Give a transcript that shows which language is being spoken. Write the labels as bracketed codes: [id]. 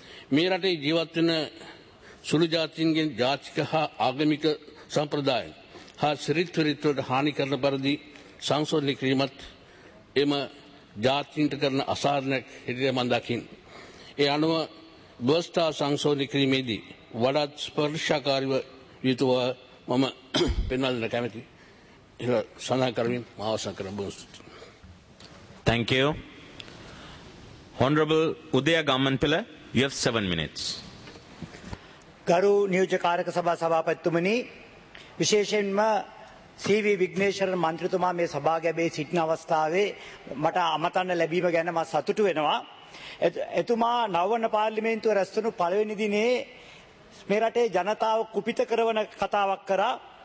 [si] මේ රටේ ජීවත් වෙන සුළු ජාතීන්ගෙන් ජාතික හා ආගමික සම්ප්‍රදායන් හා සිරිත්විරිත්වලට හානි කරන පරිදි සංශෝධනය කිරීමත් එම ජාතීන්ට කරන අසාධාරණයක් හෙටිය මම දකින්නේ. ඒ අනුව ව්‍යවස්ථාව සංශෝධනය කිරීමේදී වඩාත් ස්පර්ශකාරීව යුතුව මම පෙන්වා දෙන්න කැමති. සඳහන් කරමින් මා අවසන් කරන බව සිතමි. [en] Thank you. Honorable Udaya Gammanpila, you have 7 minutes. [si] ගරු නියෝජකාරක සභා සභාපතිතුමනි, විශේෂයෙන්ම සීවී විග්නේශර මන්ත්‍රීතුමා මේ සභාගැබේ සිටින අවස්ථාවේ මට අමතන්න ලැබීම ගැන මම සතුටු වෙනවා. එතුමා නවවන පාර්ලිමේන්තුව රැස්වුණු පළවෙනි දිනේ මේ රටේ ජනතාව කුපිත කරවන කතාවක් කරා.